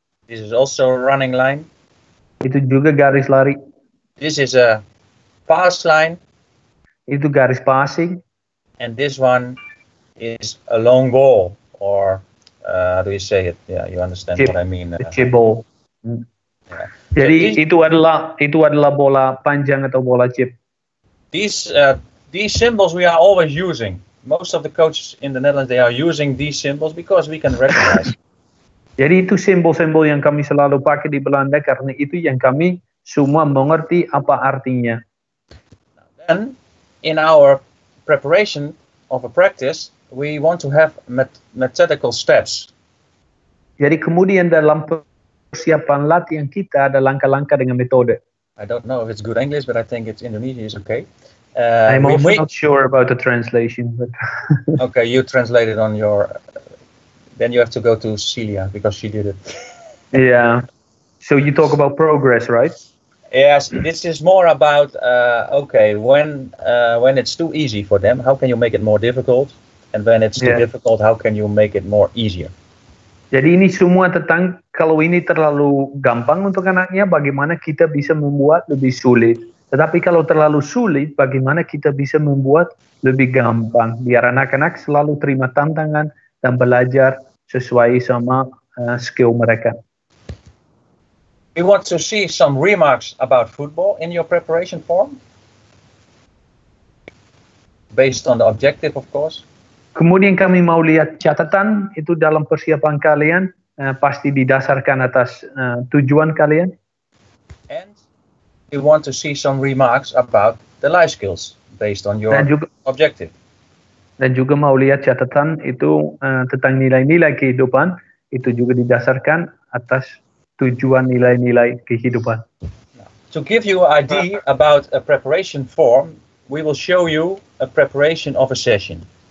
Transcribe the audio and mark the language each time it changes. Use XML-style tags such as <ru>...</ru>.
<en>This is also a running line.</en> <id>Itu juga garis lari.</id> <en>This is a pass line.</en> <id>Itu garis passing.</id> <en>and this one is a long ball, or how do you say it? Yeah, you understand what I mean. Chip ball. Yeah.</en> <id>Jadi so itu adalah bola panjang atau bola chip.</id> <en>These symbols we are always using. Most of the coaches in the Netherlands, they are using these symbols because we can recognize.</en> <id>Jadi itu simbol-simbol yang kami selalu pakai di Belanda karena itu yang kami semua mengerti apa artinya.</id> <en>Then, in our preparation of a practice, we want to have methodical steps.</en> <id>Jadi kemudian dalam persiapan latihan kita ada langkah-langkah dengan metode.</id> <en>I don't know if it's good English, but I think it's Indonesian is okay. I'm also not sure about the translation. But okay, you translate it on your... Then you have to go to Celia, because she did it. Yeah. So you talk about progress, right? Yes, this is more about, okay, when it's too easy for them, how can you make it more difficult? And when it's too difficult, how can you make it more easier?</en> <id>Jadi ini semua tentang, kalau ini terlalu gampang untuk anaknya, bagaimana kita bisa membuat lebih sulit. Tetapi kalau terlalu sulit, bagaimana kita bisa membuat lebih gampang? Biar anak-anak selalu terima tantangan dan belajar sesuai sama skill mereka.</id> <en>We want to see some remarks about football in your preparation form. Based on the objective, of course.</en> <id>Kemudian kami mau lihat catatan itu dalam persiapan kalian, pasti didasarkan atas tujuan kalian.</id> <en>And we want to see some remarks about the life skills based on your objective.</en> <id>Dan juga mau lihat catatan itu tentang nilai-nilai kehidupan, itu juga didasarkan atas tujuan nilai-nilai kehidupan.</id> <en>To give you an idea about a preparation form, we will show you a preparation of a session.</en>